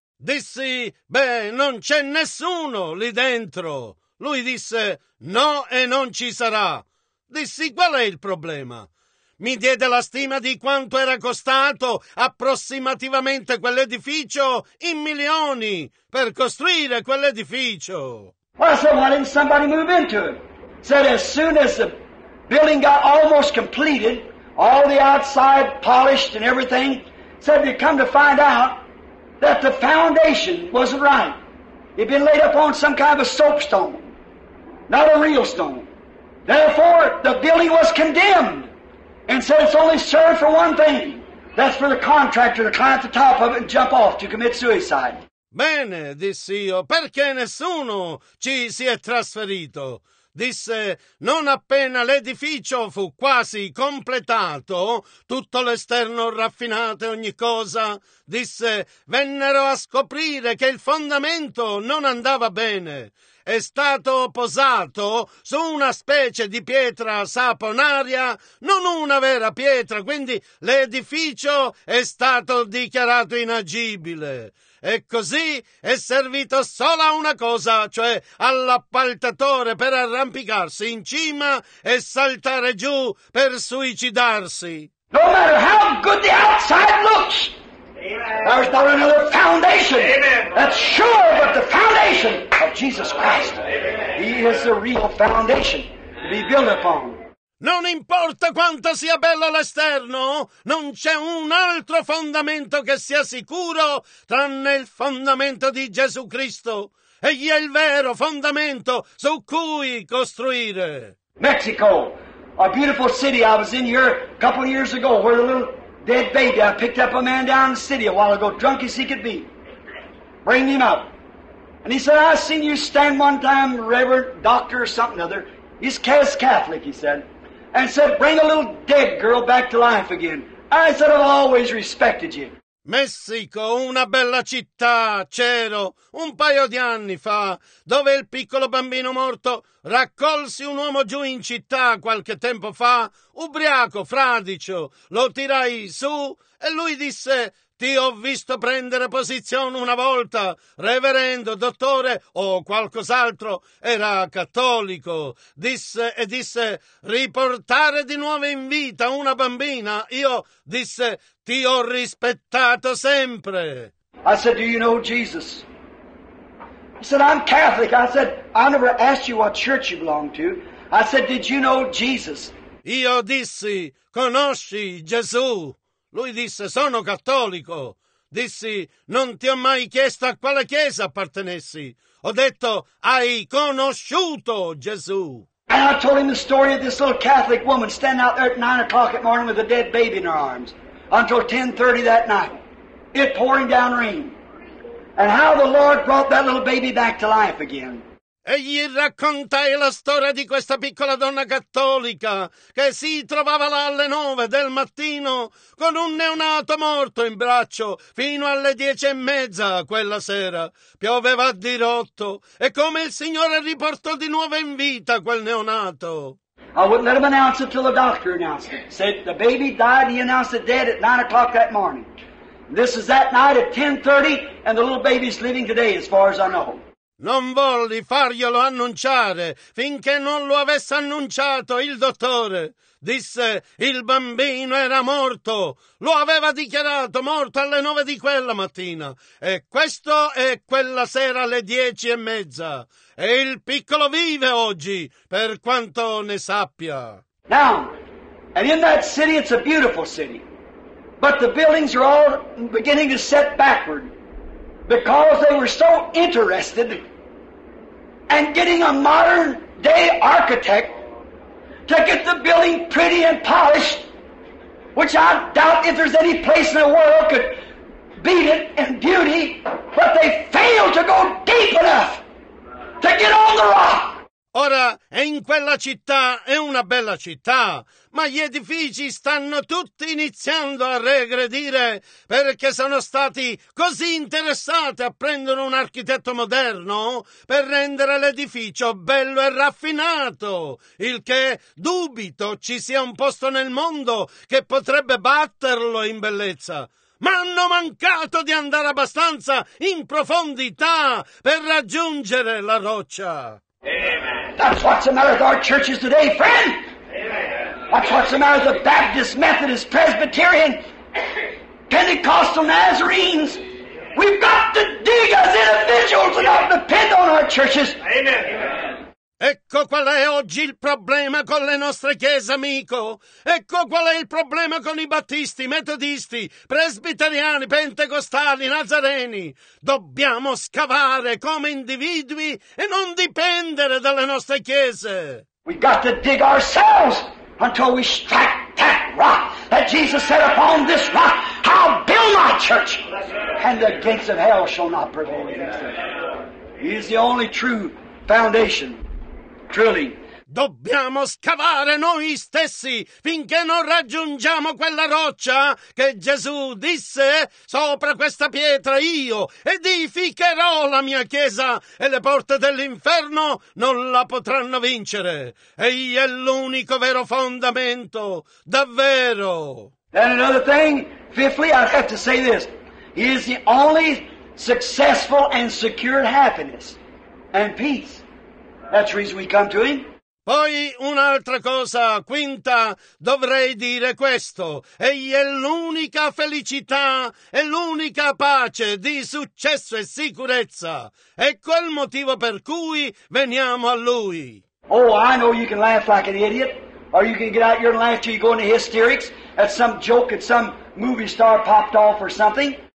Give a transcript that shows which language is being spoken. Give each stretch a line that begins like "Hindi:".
Italian: Dissi, beh, non c'è nessuno lì dentro. Lui disse, no e non ci sarà. Dissi, qual è il problema? Mi diede la stima di quanto era costato approssimativamente quell'edificio in milioni per costruire quell'edificio.
English: Well, I said, why didn't somebody move into it? Said, as soon as the building got almost completed, all the outside polished and everything, said, they come to find out that the foundation wasn't right. It'd been laid up on some kind of a soapstone, not a real stone. Therefore, the building was condemned and said it's only served for one thing. That's for the contractor to climb the top of it and jump off to commit suicide.
Italian: Bene, disse io, perché nessuno ci si è trasferito? Disse, non appena l'edificio fu quasi completato, tutto l'esterno raffinato e ogni cosa, disse, vennero a scoprire che il fondamento non andava bene. È stato posato su una specie di pietra saponaria, non una vera pietra, quindi l'edificio è stato dichiarato inagibile. E così è servito solo a una cosa, cioè all'appaltatore per arrampicarsi in cima e saltare giù per suicidarsi.
English: No matter how good the outside looks, there's not another foundation. Amen. That's sure, but the foundation of Jesus Christ. Amen. He is the real foundation to be built upon.
Italian: Non importa quanto sia bello l'esterno, non c'è un altro fondamento che sia sicuro tranne il fondamento di Gesù Cristo. Egli è il vero fondamento su cui costruire.
English: Mexico, a beautiful city. I was in here a couple of years ago where a little dead baby, I picked up a man down the city a while ago, drunk as he could be. Bring him up. And he said, I seen you stand one time, Reverend Doctor or something other. He's Catholic, he said. And said, bring a little dead girl back to life again. I said, I've always respected you.
Italian: Messico, una bella città, c'ero un paio di anni fa, dove il piccolo bambino morto raccolsi un uomo giù in città qualche tempo fa, ubriaco, fradicio, lo tirai su e lui disse, ti ho visto prendere posizione una volta, reverendo, dottore o qualcos'altro, era cattolico, disse, riportare di nuovo in vita una bambina, io disse, ti ho rispettato sempre.
English: I said, do you know Jesus? He said, I'm Catholic. I said, I never asked you what church you belong to. I said, did you know Jesus?
Italian: Io dissi, conosci Gesù? Lui disse, sono cattolico. Dissi, non ti ho mai chiesto a quale chiesa appartenessi. Ho detto, hai conosciuto Gesù.
English: And I told him the story of this little Catholic woman standing out there at 9 o'clock at morning with a dead baby in her arms until 10:30 that night, it pouring down rain. And how the Lord brought that little baby back to life again.
Italian: E gli raccontai la storia di questa piccola donna cattolica che si trovava là alle 9 del mattino con un neonato morto in braccio fino alle 10:30 quella sera. Pioveva a dirotto e come il Signore riportò di nuovo in vita quel neonato.
English: I wouldn't let him announce it till the doctor announced it. Said the baby died, he announced it dead at 9 o'clock that morning. This is that night at 10:30 and the little baby's living today as far as I know.
Italian: Non volli farglielo annunciare finché non lo avesse annunciato il dottore. Disse, il bambino era morto. Lo aveva dichiarato morto alle 9 di quella mattina. E questo è quella sera alle 10:30. E il piccolo vive oggi, per quanto ne sappia.
English: Now, and in that city, it's a beautiful city. But the buildings are all beginning to set backward. Because they were so interested in getting a modern day architect to get the building pretty and polished, which I doubt if there's any place in the world could beat it in beauty, but they failed to go deep enough to get on the rock.
Italian: Ora, è in quella città, è una bella città, ma gli edifici stanno tutti iniziando a regredire perché sono stati così interessati a prendere un architetto moderno per rendere l'edificio bello e raffinato, il che dubito ci sia un posto nel mondo che potrebbe batterlo in bellezza. Ma hanno mancato di andare abbastanza in profondità per raggiungere la roccia.
English: That's what's the matter with our churches today, friend. That's what's the matter with the Baptist, Methodist, Presbyterian, Pentecostal, Nazarenes. We've got to dig as individuals and not depend on our churches. Amen.
Italian: Ecco qual è oggi il problema con le nostre chiese, amico. Ecco qual è il problema con i battisti, metodisti, presbiteriani, pentecostali, nazareni. Dobbiamo scavare come individui e non dipendere dalle nostre chiese.
English: We got to dig ourselves until we strike that rock that Jesus said, upon this rock I'll build my church, and the gates of hell shall not prevail against it. He is the only true foundation. Truly.
Italian: Dobbiamo scavare noi stessi finché non raggiungiamo quella roccia che Gesù disse: sopra questa pietra io edificherò la mia chiesa e le porte dell'inferno non la potranno vincere. Egli è l'unico vero fondamento, davvero.
English: And another thing, fifthly, I have to say this. He is the only successful and secure happiness and peace. That's the reason we come to him.
Italian: Poi un'altra cosa, quinta, dovrei dire questo. Egli è l'unica felicità e l'unica pace di successo e sicurezza. Ecco il motivo per cui veniamo a lui.
English: Oh, I know you can laugh like an idiot, or you can get out here and laugh till you go into hysterics at some joke that some movie star popped off or something.